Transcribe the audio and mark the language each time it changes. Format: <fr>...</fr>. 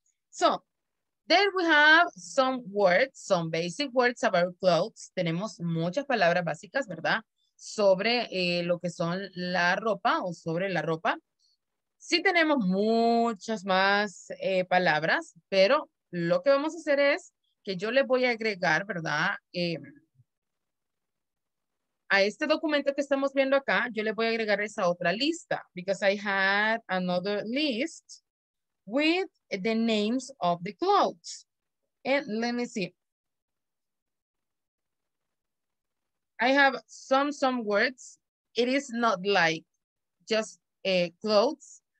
<en>So, there we have some words, some basic words about clothes.</en> <es>Tenemos muchas palabras básicas, ¿verdad? Sobre lo que son la ropa o sobre la ropa. Sí tenemos muchas más palabras, pero lo que vamos a hacer es que yo les voy a agregar, ¿verdad? A este documento que estamos viendo acá, yo les voy a agregar esa otra lista.</es> <en>Because I had another list with the names of the clothes. And let me see. I have some words. It is not like just clothes.</en>